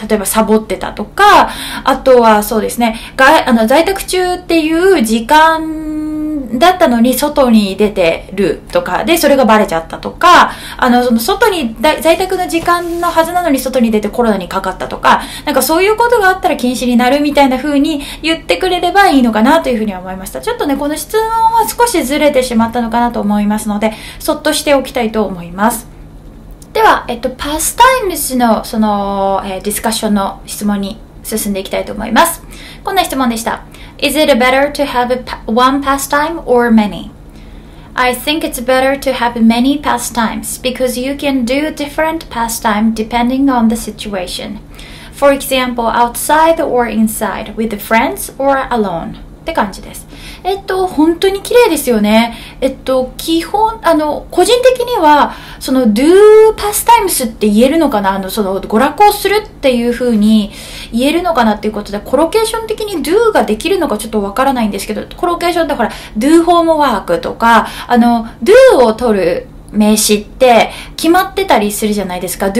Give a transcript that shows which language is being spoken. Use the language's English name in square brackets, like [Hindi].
[Japanese] 例えばサボってたとか、あとはそうですね、在宅中っていう時間、だったのに外に出てるとかで、それがバレちゃったとか、その外に在宅の時間のはずなのに外に出てコロナにかかったとか、なんかそういうことがあったら禁止になるみたいな風に言ってくれればいいのかなというふうに思いました。ちょっとね、この質問は少しずれてしまったのかなと思いますので、そっとしておきたいと思います。ではパスタイムズのその、ディスカッションの質問に進んでいきたいと思います。こんな質問でした。 [English] Is it better to have one pastime or many? I think it's better to have many pastimes because you can do different pastime depending on the situation. For example, outside or inside with friends or alone. [Japanese] って感じです。本当に綺麗ですよね。基本、個人的には、その [English] do pastimes [Japanese] って言えるのかな、その娯楽をするっていう風に、言えるのかなっていうことで、コロケーション的に do ができるのかちょっとわからないんですけど、コロケーションってほら、do ホームワークとか、do を取る名詞って決まってたりするじゃないですか。